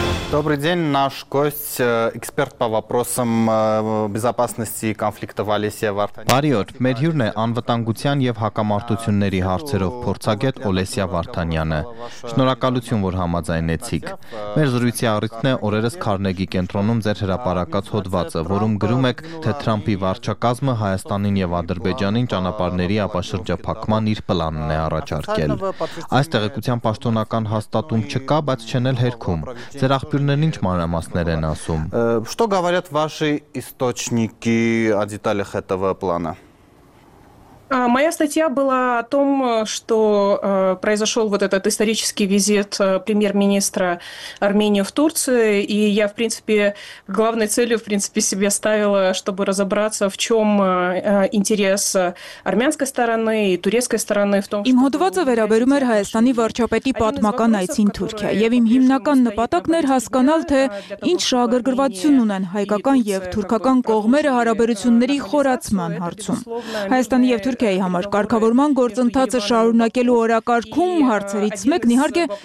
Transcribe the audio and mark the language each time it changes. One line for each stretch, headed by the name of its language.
Russian: Добрый день, наш гость, эксперт по вопросам безопасности и конфликта в Олесе Вартанян.
Armenian: Բարիօր, մեր հյուրն է անվտանգության եւ հակամարտությունների հարցերով փորձագետ Օլեսիա Վարդանյանը։ Շնորհակալություն, որ համաձայնեցիք։ Մեր զրույցի առիթն է օրերս Քարնեգի կենտրոնում ձեր հրապարակած հոդվածը, որում գրում եք, թե Թրամփի վարչակազմը Հայաստանին եւ Ադրբեջանին ճանապարհների ապաշրջափակման իր պլանն է առաջարկել։ Այս տեղեկության պաշտոնական հաստատում չկա, բայց չեն էլ հերքում։ Ձեր Пюрнен ինչ մանրամասներ են ասում։
Russian: Что говорят ваши источники о деталях этого плана? Моя статья была о том, что произошел вот этот исторический визит премьер-министра Армении в Турцию, и я, в принципе, главной целью, в принципе, себе ставила, чтобы разобраться, в чем интерес армянской стороны и турецкой стороны в том, что...
Armenian: Им հոդվածը վերաբերում էր Հայաստանի վարչապետի պատմական այցին Թուրքիա, եւ իմ հիմնական նպատակն էր հասկանալ, թե ինչ շահագրգռվածություն ունեն հայկական եւ թուրքական կողմերը հարաբերությունների խորացման հարցում։ Հայաստանի եւ Թուրքիայի համար կարգավորման գործընթացը շարունակելու օրակարգում հարցերից մեկն իհարկե